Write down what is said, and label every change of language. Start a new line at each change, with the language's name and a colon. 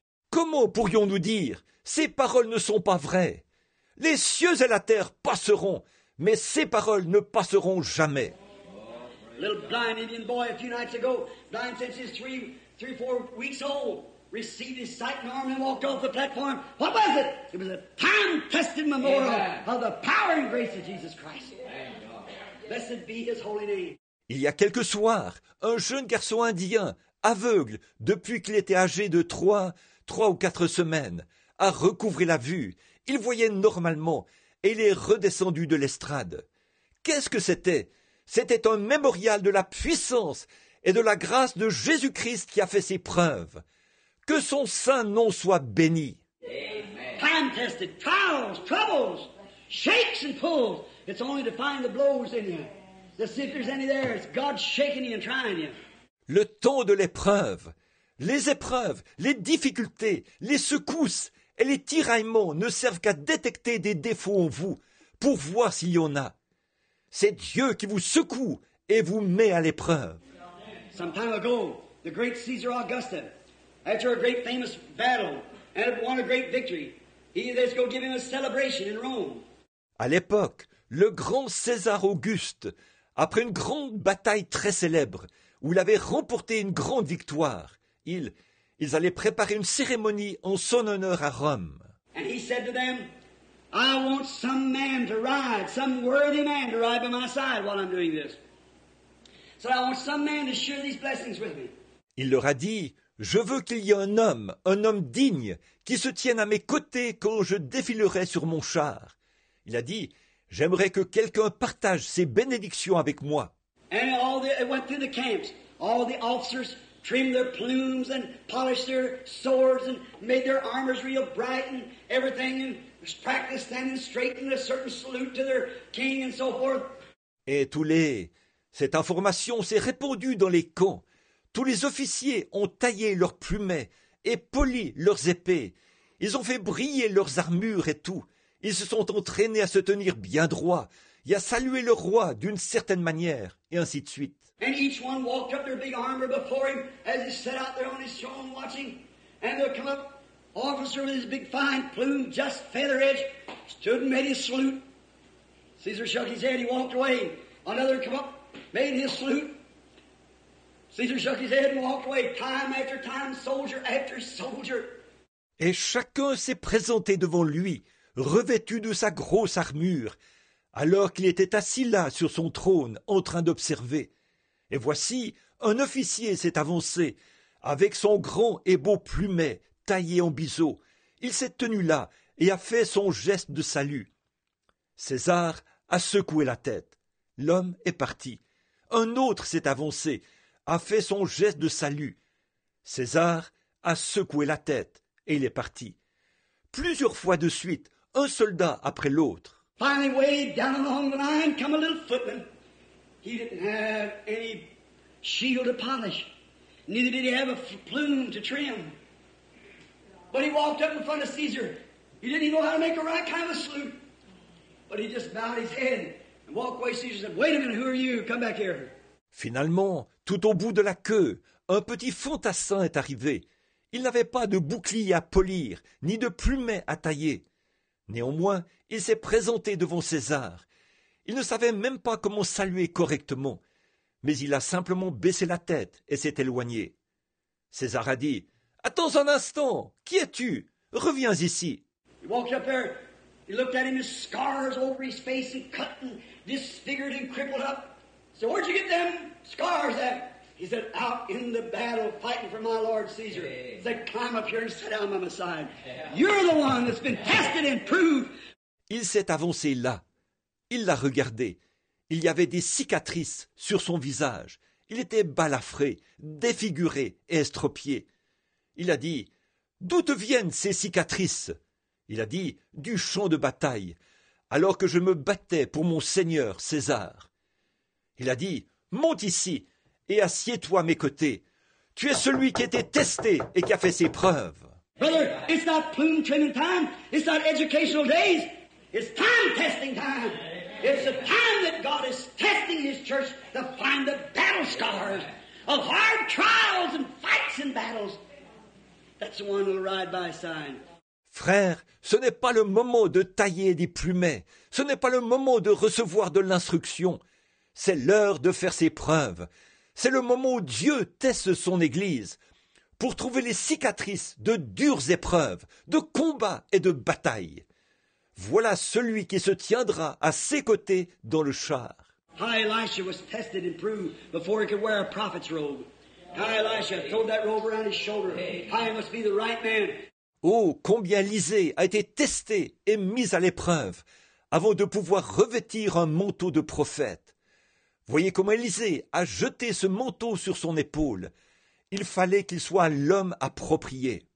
French: Comment pourrions-nous dire, ces paroles ne sont pas vraies? Les cieux et la terre passeront, mais ces paroles ne passeront jamais.
English: Little blind Indian boy a few nights ago, blind since he's three, four weeks old, received his sight and arm and walked off the platform. What was it? It was a time-tested memorial of the power and grace of Jesus Christ. Blessed be his holy name.
French: Il y a quelques soirs, un jeune garçon indien, aveugle, depuis qu'il était âgé de trois ou quatre semaines, a recouvré la vue. Il voyait normalement et il est redescendu de l'estrade. Qu'est-ce que c'était? C'était un mémorial de la puissance et de la grâce de Jésus-Christ qui a fait ses preuves. Que son saint nom soit béni.
English: Time tested, trials, troubles, shakes and pulls. It's only to find the blows in you. To see if there's any there. It's God shaking you and trying you.
French: Le temps de l'épreuve, les épreuves, les difficultés, les secousses et les tiraillements ne servent qu'à détecter des défauts en vous pour voir s'il y en a. C'est Dieu qui vous secoue et vous met à l'épreuve.
English: Some time ago, the great Caesar Augusta, after a great famous battle and had won a great victory, he let's go give him a celebration in Rome.
French: À l'époque, le grand César Auguste, après une grande bataille très célèbre où il avait remporté une grande victoire, ils allaient préparer une cérémonie en son honneur à Rome.
English: And he said to them, I want some man to ride, some worthy man to ride by my side while I'm doing this. So I want some man to share these blessings with me.
French: Il leur a dit, je veux qu'il y ait un homme digne, qui se tienne à mes côtés quand je défilerai sur mon char. Il a dit, j'aimerais que quelqu'un partage ses bénédictions avec moi.
English: And all the, it went through the camps, all the officers trimmed their plumes and polished their swords and made their armors real bright and everything and practiced standing straight in a certain salute to their king and so forth.
French: Et tous les... Cette information s'est répandue dans les camps. Tous les officiers ont taillé leurs plumets et poli leurs épées. Ils ont fait briller leurs armures et tout. Ils se sont entraînés à se tenir bien droit et à saluer le roi d'une certaine manière, et ainsi de suite.
English: And each one walked up their big armor before him as he sat out there on his throne watching. And there come up officer with his big fine plume, just feather edge, stood and made his salute. Caesar shook his head, he walked away. Another come up, made his salute. Caesar shook his head and walked away, time after time, soldier after soldier.
French: Et chacun s'est présenté devant lui, revêtu de sa grosse armure, alors qu'il était assis là sur son trône, en train d'observer. Et voici, un officier s'est avancé, avec son grand et beau plumet taillé en biseau. Il s'est tenu là et a fait son geste de salut. César a secoué la tête. L'homme est parti. Un autre s'est avancé, a fait son geste de salut. César a secoué la tête. Et il est parti. Plusieurs fois de suite, un soldat après l'autre.
English: Finally, way down along the line, come a little footman. He didn't have any shield to polish. Neither did he have a plume to trim. But he walked up in front of Caesar. He didn't even know how to make a right kind of salute. But he just bowed his head and walked away. Caesar said, wait a minute, who are you? Come back here.
French: Finalement, tout au bout de la queue, un petit fantassin est arrivé. Il n'avait pas de bouclier à polir, ni de plumet à tailler. Néanmoins, il s'est présenté devant César. Il ne savait même pas comment saluer correctement, mais il a simplement baissé la tête et s'est éloigné. César a dit, « Attends un instant, qui es-tu? Reviens ici. »
English: Il walked up there, he looked at him, his scars over his face and cut and disfigured and crippled up. He said, « Where'd you get them scars at? » He said, out in the battle, fighting for my lord Caesar. Hey. He said, climb up here and sit down by my side. Yeah. You're the one that's been tested and proved.
French: Il s'est avancé là. Il l'a regardé. Il y avait des cicatrices sur son visage. Il était balafré, défiguré et estropié. Il a dit, d'où te viennent ces cicatrices? Il a dit, du champ de bataille, alors que je me battais pour mon seigneur César. Il a dit, monte ici. « Et assieds-toi à mes côtés. Tu es celui qui a été testé et qui a fait ses preuves. »«
English: Brother, it's not plume training time. It's not educational days. It's time testing time. It's the time that God is testing his church to find the battle scars of hard trials and fights and battles. That's the one who'll ride by side. »
French: Frère, ce n'est pas le moment de tailler des plumets. Ce n'est pas le moment de recevoir de l'instruction. C'est l'heure de faire ses preuves. C'est le moment où Dieu teste son Église pour trouver les cicatrices de dures épreuves, de combats et de batailles. Voilà celui qui se tiendra à ses côtés dans le char.
English: How Elisha was tested and proved before he could wear a prophet's robe. How Elisha throwed that robe around his shoulder. How he must be the right man.
French: Oh, combien Élisée a été testé et mis à l'épreuve avant de pouvoir revêtir un manteau de prophète. Voyez comment Élisée a jeté ce manteau sur son épaule. Il fallait qu'il soit l'homme approprié.